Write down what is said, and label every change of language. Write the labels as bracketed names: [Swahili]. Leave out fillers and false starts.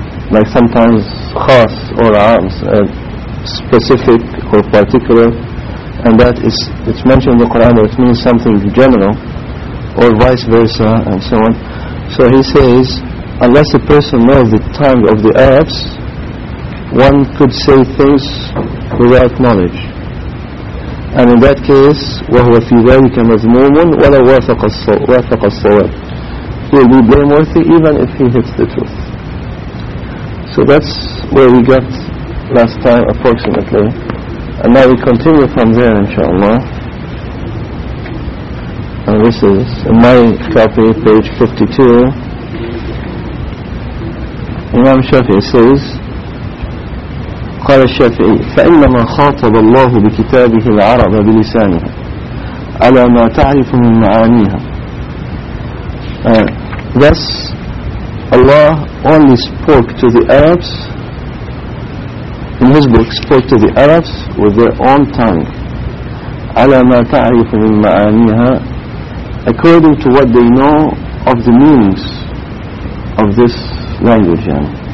[English] like sometimes khas or arms, specific or particular, and that it's mentioned in the Quran, or it means something general, or vice versa, and so on. So he says, unless a person knows the tongue of the Arabs, one could say things without knowledge. And in that case, [Arabic] وَهُوَ فِي ذَلِكَ مَذْمُومٌ وَلَا وَافَقَ الصَّوَابِ. [English] He will be blameworthy even if he hits the truth. So that's where we got last time, approximately. And now we continue from there, inshallah. And this is in my copy, page 52. Imam Shafi'i says, [Arabic] قال الشافعي فإنما خاطب الله بكتابه العرب بلسانه على ما تعرف من معانيها. [English] Thus Allah only spoke to the Arabs in his book, spoke to the Arabs with their own tongue, [Arabic] عَلَى مَا تَعْرِفُ مِنْ مَعَانِيهَا, [English] according to what they know of the meanings of this language, you know.